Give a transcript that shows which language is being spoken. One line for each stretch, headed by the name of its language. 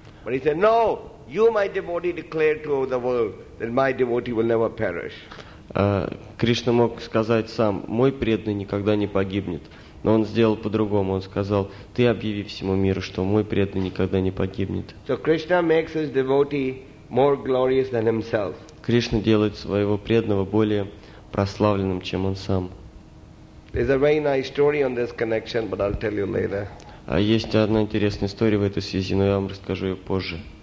English: But he said, no, you, my devotee, declare to the world that my devotee will never perish.
Russian: Кришна мог сказать сам, мой преданный никогда не погибнет. Но он сделал по-другому. Он сказал, ты объяви всему миру, что мой преданный никогда не погибнет.
English: So Krishna makes his devotee more glorious than himself.
Russian: Кришна делает своего преданного более прославленным, чем он сам.
English: There's a very nice story on this connection, but I'll tell you later.
Russian: А есть одна интересная история в этой связи, но я вам расскажу ее позже.